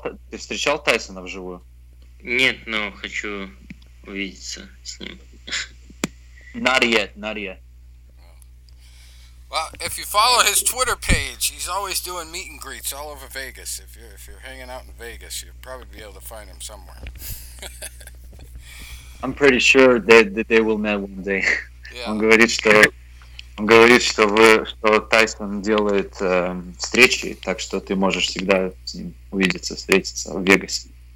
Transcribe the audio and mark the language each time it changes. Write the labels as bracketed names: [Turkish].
[Russian] Ты встречал Тайсона вживую? Нет, но хочу увидеться с ним. [English] Not yet. Well, if you follow his Twitter page, he's always doing meet and greets all over Vegas. If you're hanging out in Vegas, you'll probably be able to find him somewhere. I'm pretty sure that they will meet one day. Yeah. [Russian] Он говорит, что Тайсон делает встречи, так что ты можешь всегда с ним увидеться, встретиться в Вегасе.